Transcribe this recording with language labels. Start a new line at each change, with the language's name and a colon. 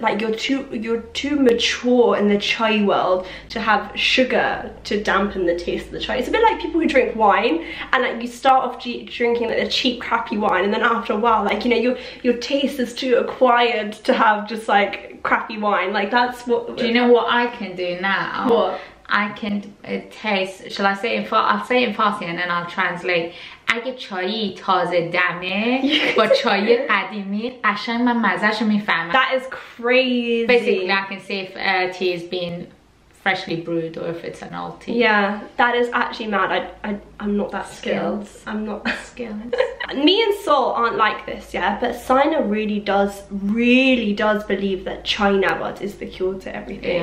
English: Like, you're too mature in the chai world to have sugar to dampen the taste of the chai. It's a bit like people who drink wine, and like you start off drinking like the cheap, crappy wine, and then after a while, like, you know, your taste is too acquired to have just like crappy wine. Like, that's what. Do you know what I can do now? What I can taste? Shall I say it in Farsi? I'll say it in Farsi, and then I'll translate.
Persian: اگه چایی تازه دمه با چایی قدیمی قشنگ من مزهش رو میفهمم.
English: That is crazy. Basically, I can see if tea has been freshly brewed or if it's an old tea. Yeah, that is actually mad. I'm not that skilled. I'm not that skilled. Me and Sol aren't like this, yeah, but Sina really does believe that chai nabat is the cure to everything.